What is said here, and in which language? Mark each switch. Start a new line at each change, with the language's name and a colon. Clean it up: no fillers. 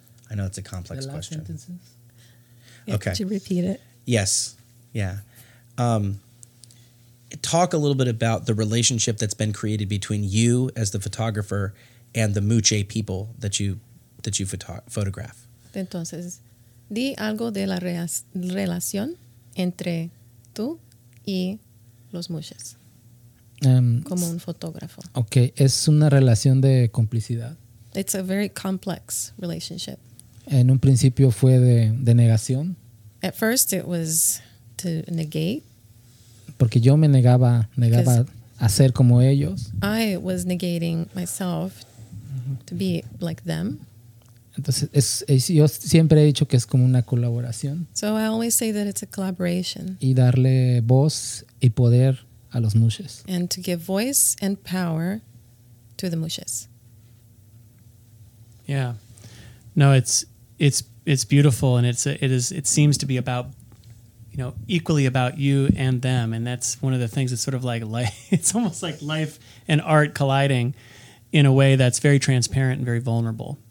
English: I know it's a complex question. The last sentences. Yeah, okay. Could you repeat it? Yes. Yeah. Talk a little bit about the relationship that's been created between you as the photographer and the muxe people that you photograph.
Spanish: Entonces, di algo de la relación entre tú y los muxes. Como un fotógrafo. Okay, es una relación de complicidad.
English: It's a very complex relationship.
Spanish: En un principio fue de negación.
English: At first it was to negate.
Spanish: Porque yo me negaba a ser como ellos.
English: I was negating myself to be like them.
Spanish: Entonces yo siempre he dicho que es como una colaboración.
English: So I always say that it's a collaboration.
Spanish: Y darle voz y poder a los muxes.
English: And to give voice and power to the muxes. Yeah. No, it's beautiful, and it seems to be about, you know, equally about you and them, and that's one of the things that's sort of like life. It's almost like life and art colliding in a way that's very transparent and very vulnerable.